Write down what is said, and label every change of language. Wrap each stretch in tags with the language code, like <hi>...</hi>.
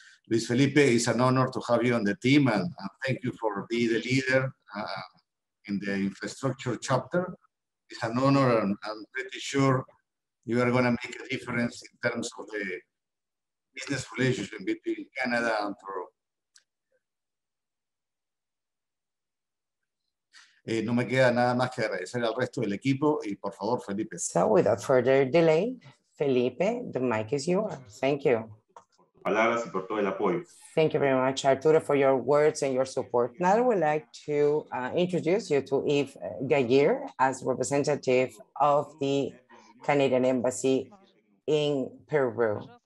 <en>Luis Felipe, it's an honor to have you on the team, and thank you for being the leader in the infrastructure chapter. It's an honor, and I'm pretty sure you are going to make a difference in terms of the business relationship between Canada and Peru.</en> <es>No me queda nada más que agradecer al resto del equipo y por favor, Felipe.</es> <en>So without further delay, Felipe, the mic is yours. Thank you.</en> <es>Palabras y por todo el apoyo.</es> <en>Thank you very much, Arturo, for your words and your support. Now I would like to introduce you to Eve Gaguer as representative of the Canadian Embassy in Peru.</en>